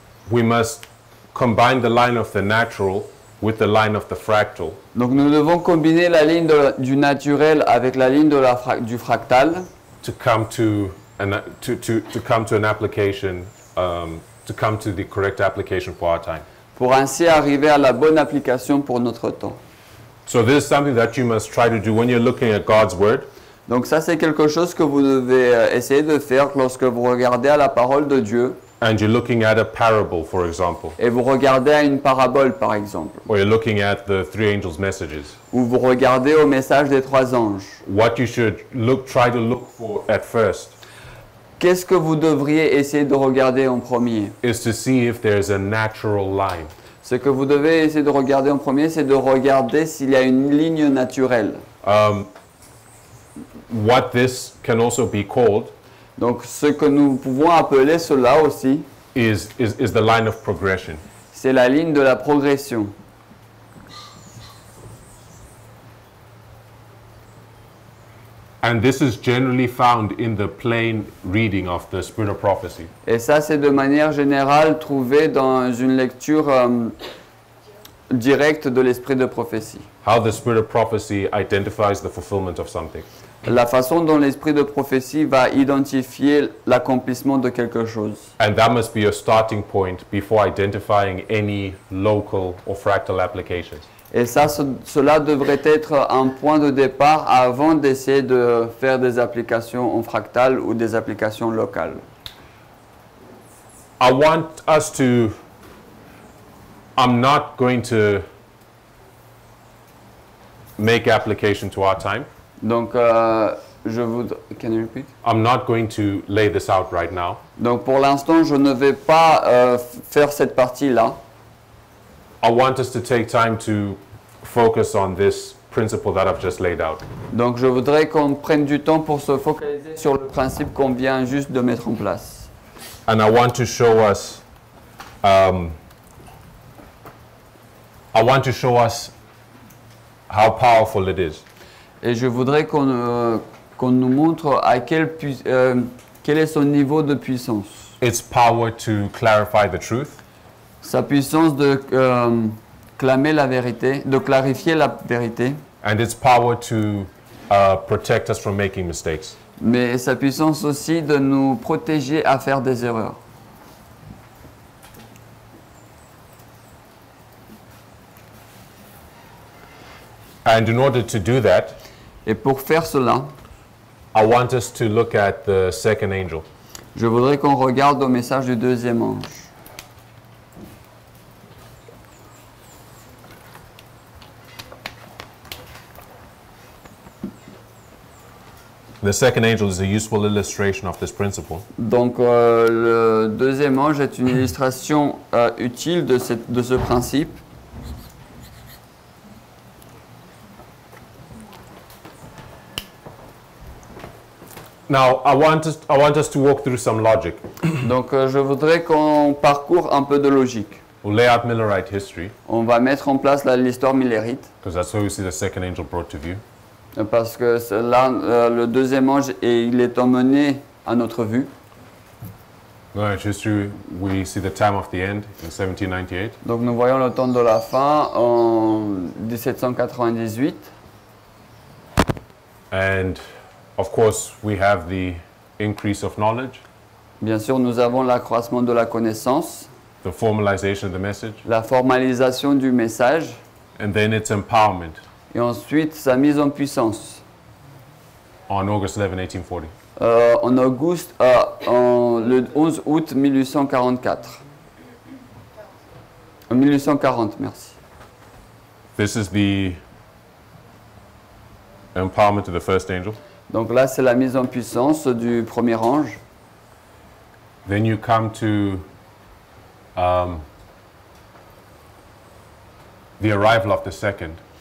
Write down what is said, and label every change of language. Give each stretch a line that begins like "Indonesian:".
English: We must combine the line of the natural with the line of the fractal.
French: Donc nous devons combiner la ligne du naturel avec la ligne de du fractal.
English: To come to the correct application for our time.
French: Pour ainsi arriver à la bonne application pour notre temps.
English: So this is something that you must try to do when you're looking at God's word.
French: Donc ça c'est quelque chose que vous devez essayer de faire lorsque vous regardez à la parole de Dieu.
English: And you're looking at a parable, for example.
French: Et vous regardez à une parabole, par exemple.
English: Or you're looking at the three angels' messages.
French: Ou vous regardez au message des trois anges.
English: What you should try to look for at first.
French: Qu'est-ce que vous devriez essayer de regarder en premier?
English: Is to see if there is a natural line.
French: Ce que vous devez essayer de regarder en premier, c'est de regarder s'il y a une ligne naturelle.
English: What this can also be called.
French: Donc, ce que nous pouvons appeler cela aussi.
English: Is the line of progression.
French: C'est la ligne de la progression.
English: And this is generally found in the plain reading of the spirit of prophecy.
French: Et ça, c'est de manière générale trouvé dans une lecture directe de l'esprit de prophétie.
English: How the spirit of prophecy identifies the fulfillment of something.
French: La façon dont l'esprit de prophétie va identifier l'accomplissement de quelque chose.
English: And that must be a starting point before identifying any local or fractal applications.
French: Et ça, cela devrait être un point de départ avant d'essayer de faire des applications en fractal ou des applications locales.
English: I want us to. I'm not going to make application to our time.
French: Donc, je vous.
English: Can you repeat? I'm not going to lay this out right now.
French: Donc, pour l'instant, je ne vais pas faire cette partie-là.
English: I want us to take time to. Focus on this principle that I've just laid out.
French: Donc je voudrais qu'on prenne du temps pour se focaliser sur le principe qu'on vient juste de mettre en place.
English: And I want to show us how powerful it is.
French: Et je voudrais qu'on nous montre à quel est son niveau de puissance.
English: Its power to clarify the truth.
French: Sa puissance de clamer la vérité, de clarifier la vérité.
English: And its power to protect us from making mistakes.
French: Mais sa puissance aussi de nous protéger à faire des erreurs.
English: And in order to do that,
French: et pour faire cela,
English: I want us to look at the second angel.
French: Je voudrais qu'on regarde au message du deuxième ange.
English: The second angel is a useful illustration of this principle.
French: Donc le deuxième ange est une illustration utile de ce principe.
English: Now, I want us to walk through some logic.
French: Donc je voudrais qu'on parcourt un peu de logique.
English: We'll lay out Millerite history.
French: On va mettre en place l'histoire millérite.
English: Because that's where we see the second angel brought to view.
French: Parce que là, le deuxième ange, il est emmené à notre vue. Non, juste,
English: we see the time of the end in 1798.
French: Donc nous voyons le temps de la fin en 1798.
English: And of course, we have the increase of knowledge.
French: Bien sûr, nous avons l'accroissement de la connaissance.
English: The formalization of the message.
French: La formalisation du message.
English: And then its empowerment.
French: Et ensuite sa mise en puissance.
English: On August 11, 1840.
French: Le 11 août 1844. 1840, merci.
English: This is the empowerment of the first angel.
French: Donc là, c'est la mise en puissance du premier ange.
English: Then you come to the arrival of the second.